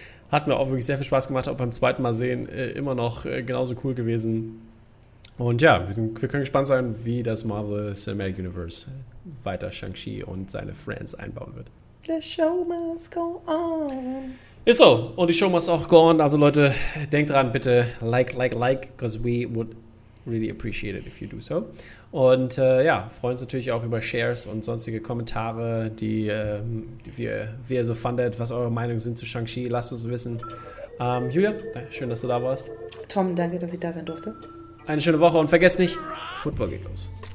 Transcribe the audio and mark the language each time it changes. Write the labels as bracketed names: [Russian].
[German] Hat mir auch wirklich sehr viel Spaß gemacht, auch beim zweiten Mal sehen, immer noch genauso cool gewesen. Und ja, wir können gespannt sein, wie das Marvel Cinematic Universe weiter Shang-Chi und seine Friends einbauen wird. [English] The show must go on. [German] Ist so, und die Show must auch go on. Also Leute, denkt dran, bitte like, [English] because we would really appreciate it if you do so. [German] Und ja, freuen uns natürlich auch über Shares und sonstige Kommentare, wie ihr so fandet, was eure Meinungen sind zu Shang-Chi. Lasst uns wissen. Julia, schön, dass du da warst. Tom, danke, dass ich da sein durfte. Eine schöne Woche und vergesst nicht, Football geht los.